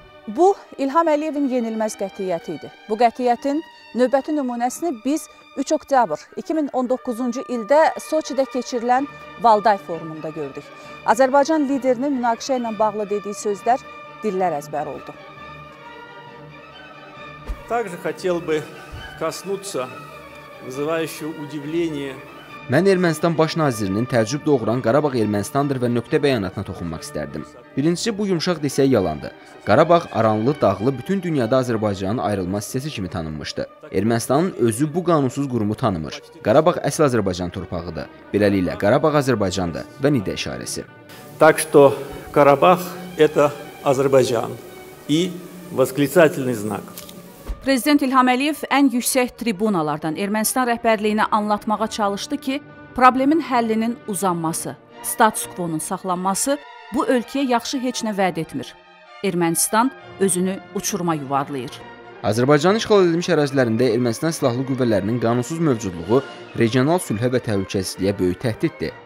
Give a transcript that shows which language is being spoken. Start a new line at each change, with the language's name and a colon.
Azerbaijani: Bu, İlham Əliyevin yenilməz qətiyyəti idi. Bu qətiyyətin növbəti nümunəsini biz 3 oktyabr 2019-cu ildə Soçidə keçirilən Valdai forumunda gördük. Azərbaycan liderinin münaqişə ilə bağlı dediyi sözlər dillər əzbər oldu.
Russian: Также хотел бы коснуться вызывающего удивление.
Azerbaijani: Mən Ermənistan baş nazirinin təəccüb doğuran Qarabağ Ermənistandır və nöqtə bəyanatına toxunmaq istərdim. Birincisi, bu yumşaq desək yalandır. Qarabağ aranlı, dağlı bütün dünyada Azərbaycanın ayrılmaz hissəsi kimi tanınmışdı. Ermənistanın özü bu qanunsuz qurumu tanımır. Qarabağ əsl Azərbaycan torpağıdır. Beləliklə Qarabağ Azərbaycandır və nidə işarəsi.
Russian: Так что Карабах это Азербайджан и восклицательный знак.
Azerbaijani: Prezident İlham Əliyev ən yüksək tribunalardan Ermənistan rəhbərliyinə anlatmağa çalışdı ki, problemin həllinin uzanması, status-quo-nun saxlanması bu ölkəyə yaxşı heç nə vəd etmir. Ermənistan özünü uçuruma yuvarlayır. Azərbaycanın işğal edilmiş ərazilərində Ermənistan silahlı qüvvələrinin qanunsuz mövcudluğu regional sülhə və təhlükəsizliyə böyük təhdiddir.